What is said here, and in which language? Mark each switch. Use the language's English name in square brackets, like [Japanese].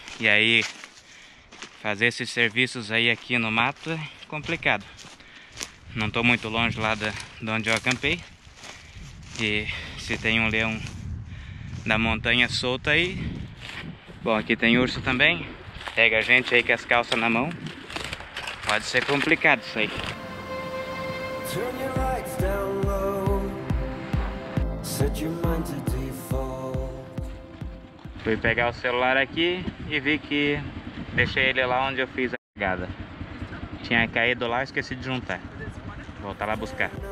[Portuguese] E aí, fazer esses serviços aí aqui no mato é complicado. Não tô muito longe lá de onde eu acampei. E se tem um leão da montanha solto aí. Bom, aqui tem urso também. Pega a gente aí com as calças na mão. Pode ser complicado isso aí. [English] Turn your lights down low. Set your mind to default. [Portuguese] Fui pegar o celular aqui e vi que deixei ele lá onde eu fiz a cagada. Tinha caído lá, esqueci de juntar. Vou voltar lá buscar.